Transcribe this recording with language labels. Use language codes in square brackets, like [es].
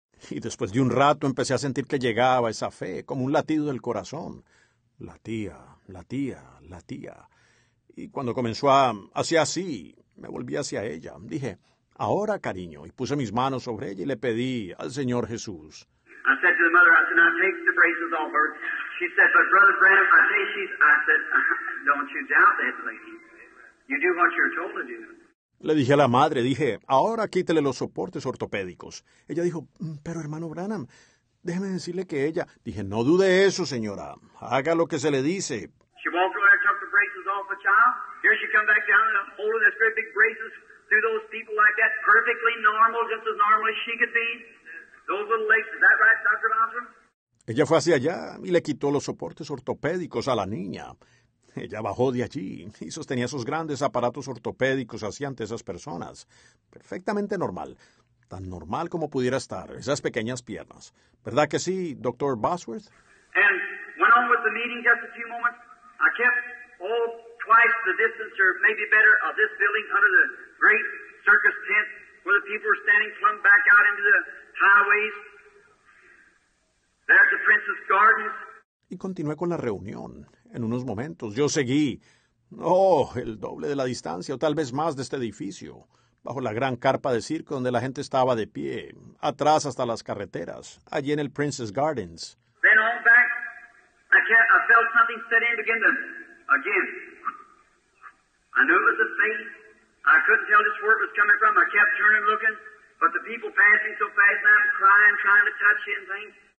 [es] Y después de un rato empecé a sentir que llegaba esa fe, como un latido del corazón. Latía, latía, latía. Y cuando comenzó a hacer así, me volví hacia ella. Dije, ahora, cariño. Y puse mis manos sobre ella y le pedí al Señor Jesús. [en] I said to the mother, I said, now take the braces off her. She said, but Brother Branham, I say she's, I said, don't you doubt that lady. You do what you're told to do. [es] Le dije a la madre, dije, ahora quítele los soportes ortopédicos. Ella dijo, pero hermano Branham, déjeme decirle que ella... Dije, no dude eso, señora. Haga lo que se le dice. [en] She walked around and took the braces off a child. Here she come back down and holding those great big braces through those people like that. Perfectly normal, just as normal as she could be. Those little legs, is that right, Dr. Bosworth? [es] Ella fue hacia allá y le quitó los soportes ortopédicos a la niña. Ella bajó de allí y sostenía esos grandes aparatos ortopédicos así ante esas personas. Perfectamente normal. Tan normal como pudiera estar esas pequeñas piernas. ¿Verdad que sí, Dr. Bosworth? [en] And went on with the meeting just a few moments. I kept all twice the distance or maybe better of this building under the great circus tent where the people were standing plumb back out into the highways. There's the Prince's Gardens. [es] Y continué con la reunión. En unos momentos, yo seguí, oh, el doble de la distancia, o tal vez más de este edificio, bajo la gran carpa de circo donde la gente estaba de pie, atrás hasta las carreteras, allí en el Prince's Gardens. [en] Then on back, I felt something set in again. Again, I knew it was a face. I couldn't tell just where it was coming from. I kept turning, looking, but the people passing so fast, I'm crying, trying to touch it and things.